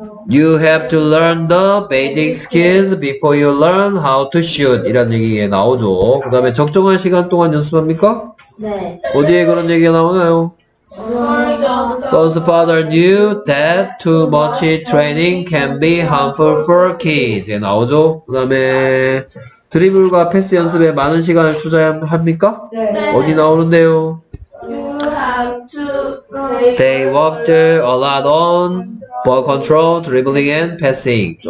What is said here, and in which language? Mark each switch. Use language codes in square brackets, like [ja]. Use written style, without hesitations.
[en] You have to learn the basic skills before you learn how to shoot. [ko] 이런 얘기가 나오죠. 그 다음에 적정한 시간 동안 연습합니까? 네. 어디에 그런 얘기가 나오나요? [en] Son's father knew that too much training can be harmful for kids. [ko] 예, 나오죠. 그 다음에 드리블과 패스 연습에 많은 시간을 투자합니까? 네. 어디 나오는데요? [en] They worked a lot on ball control, dribbling and passing.